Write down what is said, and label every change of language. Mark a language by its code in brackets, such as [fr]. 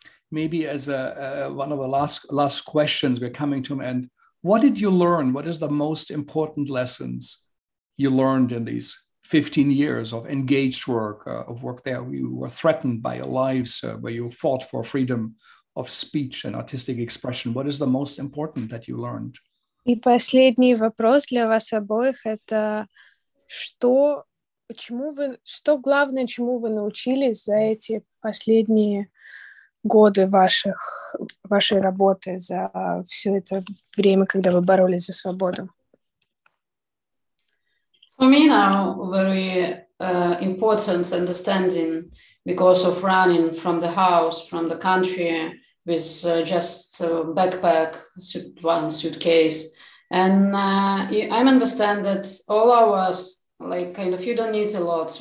[en] Maybe as one of the last questions we're coming to an end, what did you learn? What is the most important lessons you learned in these 15 years of engaged work, of work there? You were threatened by your lives, where you fought for freedom of speech and artistic expression. What is the most important that you learned? [ru] И последний вопрос для вас обоих – это что, почему вы, что главное, чему вы научились за эти последние годы ваших вашей работы, за все это время, когда вы боролись за свободу? [en] For me now, very important understanding, because of running from the house, from the country, with just a backpack, one suitcase. And I understand that all of us, like, kind of, you don't need a lot.